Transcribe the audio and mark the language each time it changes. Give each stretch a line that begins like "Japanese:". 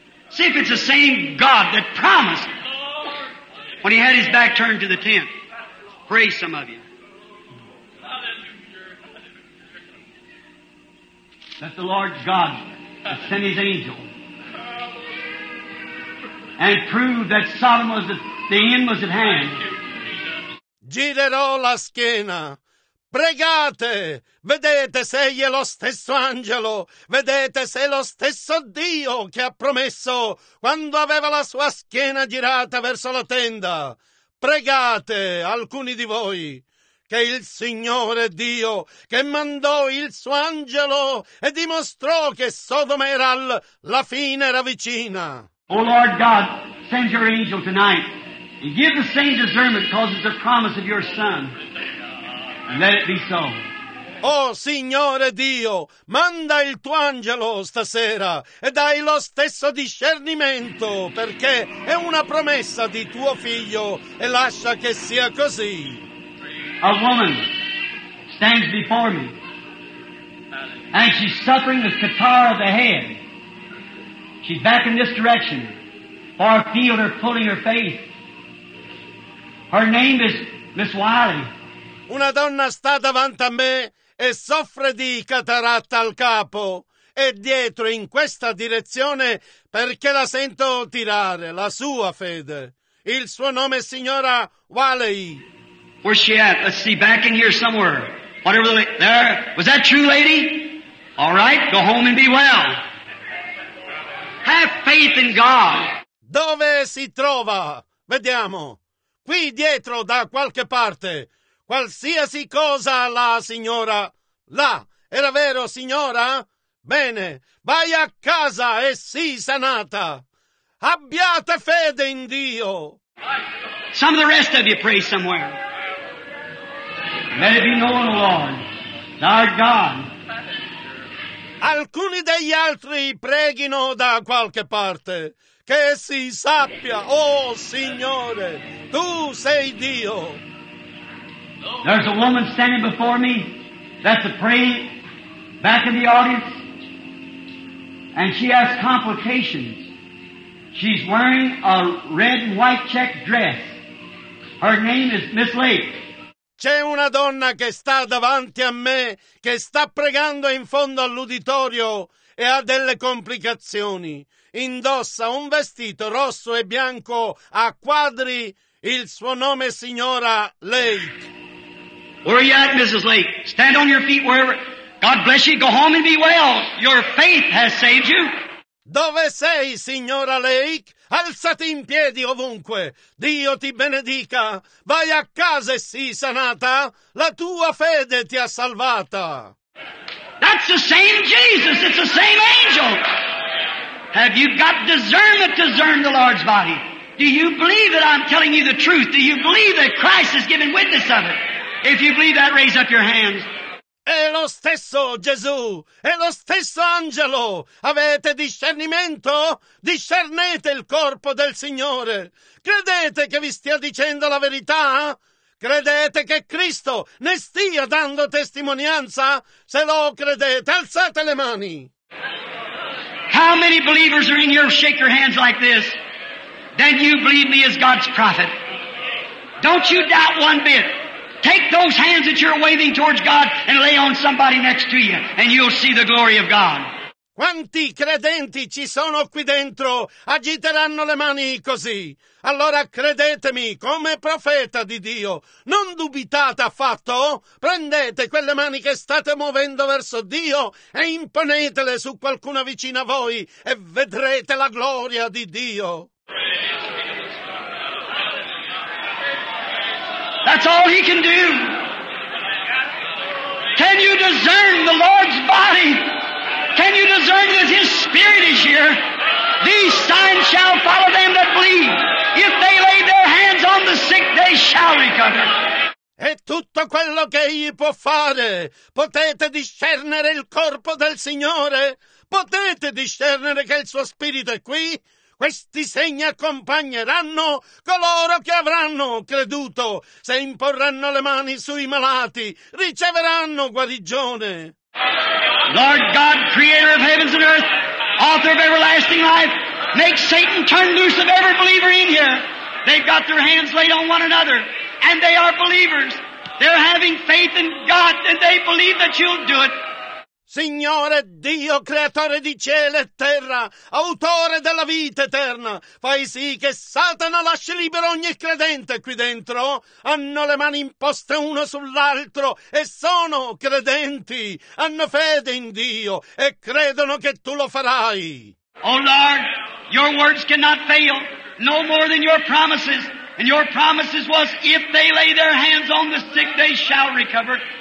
English: See if it's the same God that promised when he had his back turned to the tent. Pray, some of you. That the Lord God that sent his angel and proved that Sodom was the end was at hand.
Italian: Girerò la schiena. Pregate, vedete se è lo stesso angelo, vedete se è lo stesso Dio che ha promesso quando aveva la sua schiena girata verso la tenda. Pregate, alcuni di voi, che il Signore Dio che mandò il suo angelo e dimostrò che Sodoma era la fine era vicina.
English: O Lord God, send your angel tonight and give the same discernment because it's the promise of your son. Let it be so.
Italian: Oh, Signore Dio, manda il tuo angelo stasera e dai lo stesso discernimento, perché è una promessa di tuo figlio e lascia che sia così.
English: A woman stands before me and she's suffering the catarrh of the head. She's back in this direction, far afield, her pulling her face. Her name is Miss Wiley.
Italian: Una donna sta davanti a me e soffre di cataratta al capo. È dietro in questa direzione perché la sento tirare la sua fede. Il suo nome è signora Wiley.
English: Where's she at? Let's see, back in here somewhere. Whatever the there. Was that true, lady? All right, go home and be well. Have faith in God.
Italian: Dove si trova? Vediamo. Qui dietro, da qualche parte. Qualsiasi cosa, la signora. Là. Era vero, signora? Bene. Vai a casa e sii sanata. Abbiate fede in Dio.
English: Some of the rest of you pray somewhere. May it be known, Lord, thy God.
Italian: Alcuni degli altri preghino da qualche parte. Che si sappia, oh Signore, tu sei Dio.
English: There's a woman standing before me that's a praying back in the audience, and she has complications. She's wearing a red and white checked dress. Her name is Miss Lake.
Italian: C'è una donna che sta davanti a me, che sta pregando in fondo all'uditorio e ha delle complicazioni. Indossa un vestito rosso e bianco a quadri. Il suo nome è signora Lake.
English: Where are you at, Mrs. Lake? Stand on your feet wherever. God bless you. Go home and be well. Your faith has saved you.
Italian: Dove sei, signora Lake? Alzati in piedi ovunque. Dio ti benedica. Vai a casa e sii sanata. La tua fede ti ha salvata.
English: That's the same Jesus. It's the same angel. Have you got discernment to discern the Lord's body? Do you believe that I'm telling you the truth? Do you believe that Christ has given witness of it? If you believe that, raise up your hands.
Italian: È lo stesso Gesù, è lo stesso angelo. Avete discernimento? Discernete il corpo del Signore. Credete che vi stia dicendo la verità? Credete che Cristo ne stia dando testimonianza? Se lo credete, alzate le mani.
English: How many believers are in here? Shake your hands like this. Then you believe me as God's prophet. Don't you doubt one bit. Take those hands that you're waving towards God and lay on somebody next to you and you'll see the glory of God.
Italian: Quanti credenti ci sono qui dentro? Agiteranno le mani così. Allora credetemi come profeta di Dio. Non dubitate affatto. Prendete quelle mani che state muovendo verso Dio e imponetele su qualcuno vicino a voi e vedrete la gloria di Dio.
English: That's all he can do. Can you discern the Lord's body? Can you discern that his spirit is here? These signs shall follow them that believe. If they lay their hands on the sick, they shall recover.
Italian: È tutto quello che egli può fare. Potete discernere il corpo del Signore? Potete discernere che il suo spirito è qui? Questi segni accompagneranno coloro che avranno creduto. Se imporranno le mani sui malati, riceveranno guarigione.
English: Lord God, creator of heavens and earth, author of everlasting life, make Satan turn loose of every believer in here. They've got their hands laid on one another, and they are believers. They're having faith in God, and they believe that you'll do it.
Italian: Signore Dio, creatore di cielo e terra, autore della vita eterna, fai sì che Satana lasci libero ogni credente qui dentro. Hanno le mani imposte uno sull'altro e sono credenti. Hanno fede in Dio e credono che tu lo farai.
English: Oh Lord, your words cannot fail, no more than your promises. And your promises was, if they lay their hands on the sick, they shall recover.